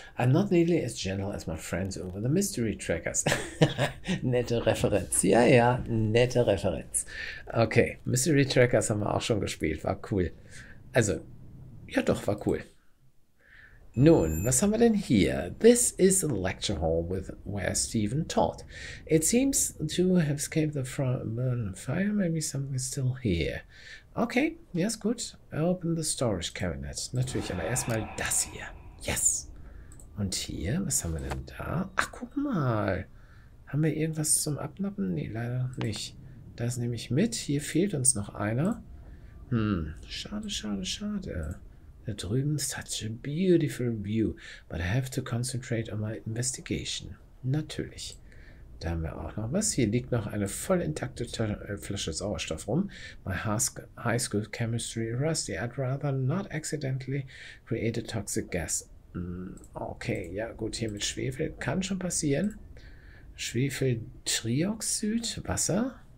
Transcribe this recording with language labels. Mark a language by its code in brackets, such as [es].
[en] I'm not nearly as gentle as my friends over the mystery trackers. [de] Nette Referenz. Ja, ja, nette Referenz. Okay, Mystery Trackers haben wir auch schon gespielt. War cool. Also, ja doch, war cool. Nun, was haben wir denn hier? [en] This is a lecture hall with where Stephen taught. It seems to have escaped the fire. Maybe something is still here. Okay, [de] ja, ist gut. [en] Open the storage cabinet. [de] Natürlich, aber erstmal das hier. [en] Yes. [de] Und hier, was haben wir denn da? Ach, guck mal. Haben wir irgendwas zum Abnappen? Nee, leider nicht. Das nehme ich mit. Hier fehlt uns noch einer. Hm, schade, schade, schade. Da drüben, [en] such a beautiful view. But I have to concentrate on my investigation. [de] Natürlich. Da haben wir auch noch was. Hier liegt noch eine voll intakte Flasche Sauerstoff rum. [en] My high school chemistry rusty. I'd rather not accidentally create a toxic gas. [de] Okay, ja gut, hier mit Schwefel kann schon passieren. Schwefeltrioxid, Wasser.